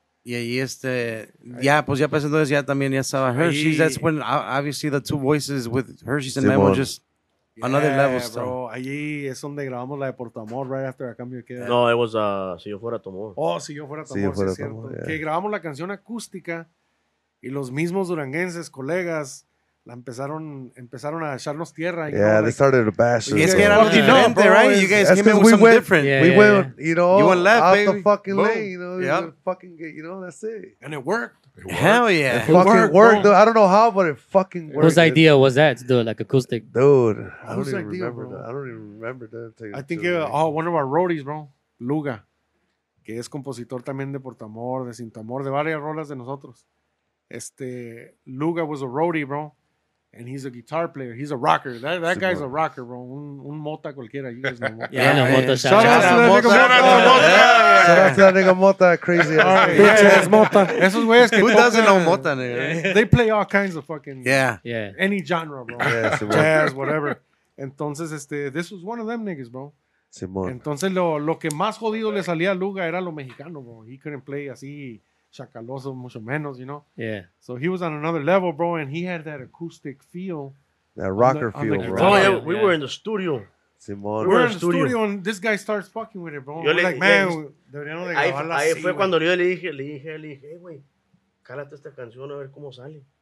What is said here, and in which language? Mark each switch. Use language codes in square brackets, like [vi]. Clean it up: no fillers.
[es] Y ahí pues ya pensando eso, ya también ya estaba Hershey's. [en] Ahí, that's when obviously the two voices with Hershey's and Memo just another level stuff. [es] Bro, allí es donde grabamos la de Por Tu Amor [en] right after [es] A Cambio de Qué. [en] No, it was Si Yo Fuera Tu Amor. [es] Oh, Si Yo Fuera Tu Amor, sí, es cierto. [en] Yeah. [es] Que grabamos la canción acústica y los mismos duranguenses, colegas, empezaron a echarnos tierra. [en] They started to bash us. Yeah, it's getting out of the norm, right? You guys came in with something different. We went left, out the fucking lane, you know? Yeah. Fucking get, you know, that's it. And it worked. Hell yeah. It fucking worked, dude. I don't know how, but it fucking worked. Whose idea was that to do it, like acoustic? Dude, I don't even remember that. I think one of our roadies, bro, [es] Luga, que es compositor también de Por Tu Amor, de Sin Tu Amor, de varias rolas de nosotros. [en] Luga was a roadie, bro. And he's a guitar player. He's a rocker. That guy's a rocker, bro. [es] Un mota cualquiera. [en] Yeah, Mota. Shout out to that nigga Mota. Crazy ass. Bitch ass [es] Mota. Esos güeyes que [en] who doesn't know Mota, nigga? They play all kinds of fucking... Yeah. Any genre, bro. Jazz, whatever. [es] Entonces, [en] this was one of them niggas, bro. [es] Simón. Entonces, lo que más jodido le salía a Luga era lo mexicano, bro. [en] He couldn't play [es] así... [en] Chacaloso, [es] mucho menos, [en] you know? Yeah. So he was on another level, bro, and he had that acoustic feel. That rocker feel, bro. Oh, yeah, we were in the studio. [es] Simón. [en] We were in the studio, and this guy starts fucking with it, bro. [es] Yo [en] like, man, [es] deberían de grabarla así. Ahí fue cuando yo le dije, hey, güey, cálate esta canción a ver cómo sale.